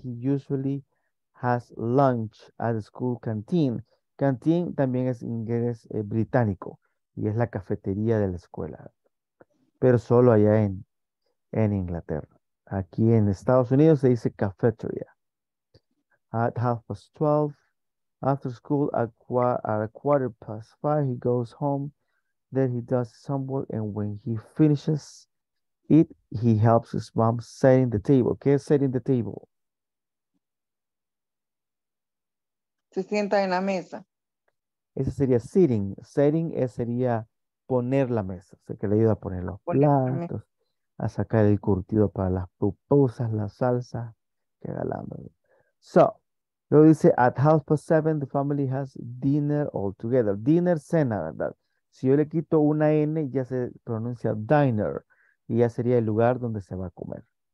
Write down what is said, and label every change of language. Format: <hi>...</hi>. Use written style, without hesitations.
<en>He usually has lunch at the school canteen.</en> <es>Canteen también es inglés británico y es la cafetería de la escuela, pero solo allá en Inglaterra. Aquí en Estados Unidos se dice cafetería.</es> <en>At 12:30, after school at 5:15, he goes home. Then he does some work and when he finishes, eat. He helps his mom setting the table.</en> <es>¿Qué es</es> <en>setting the table?</en> <es>Se sienta en la mesa. Ese sería sitting. Setting sería poner la mesa. O sea, que le ayuda a poner los platos, a sacar el curtido para las pupusas, la salsa. Que galando.</es> <en>So,</en> <es>luego dice,</es> <en>at 7:30, the family has dinner all together.</en> <es>Dinner, cena, ¿verdad? Si yo le quito una N, ya se pronuncia diner. Y ya sería el lugar donde se va a comer.</es>